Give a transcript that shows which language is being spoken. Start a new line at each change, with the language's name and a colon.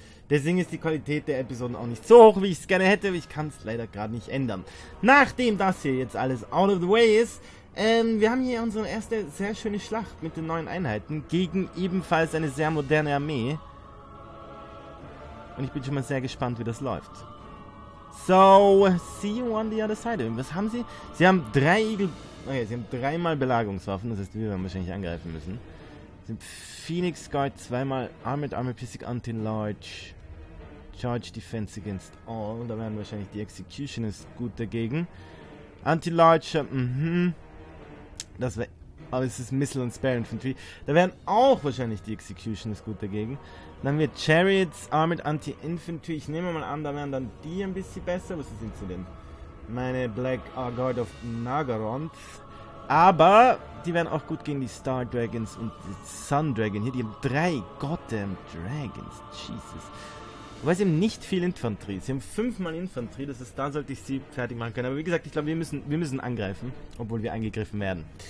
German: Deswegen ist die Qualität der Episoden auch nicht so hoch, wie ich es gerne hätte, aber ich kann es leider gerade nicht ändern. Nachdem das hier jetzt alles
English: out of the way
German: ist, wir haben hier unsere erste sehr schöne Schlacht mit den neuen Einheiten gegen ebenfalls eine sehr moderne Armee. Und ich bin schon mal sehr gespannt, wie das läuft.
English: So, see you on the other side.
German: Was haben sie? Sie haben drei Igel... Okay, sie haben dreimal Belagerungswaffen, das heißt, wir werden wahrscheinlich angreifen müssen. Sie haben Phoenix Guard zweimal Armored Pistic Anti-Large Charge Defense Against All. Da werden wahrscheinlich die Executioners gut dagegen. Anti-Large, das wäre... Aber es ist Missile und Spare Infantry. Da wären auch wahrscheinlich die Executioners gut dagegen. Dann wird Chariots Armored Anti-Infantry. Ich nehme mal an, da wären dann die ein bisschen besser. Was sind sie denn? Meine Black Guard of Nagaroth. Aber die wären auch gut gegen die Star Dragons und die Sun Dragon. Hier, die haben drei goddamn Dragons. Jesus. Weil sie haben nicht viel Infanterie. Sie haben fünfmal Infanterie. Das ist, da sollte ich sie fertig machen können. Aber wie gesagt, ich glaube, wir müssen angreifen. Obwohl wir angegriffen werden.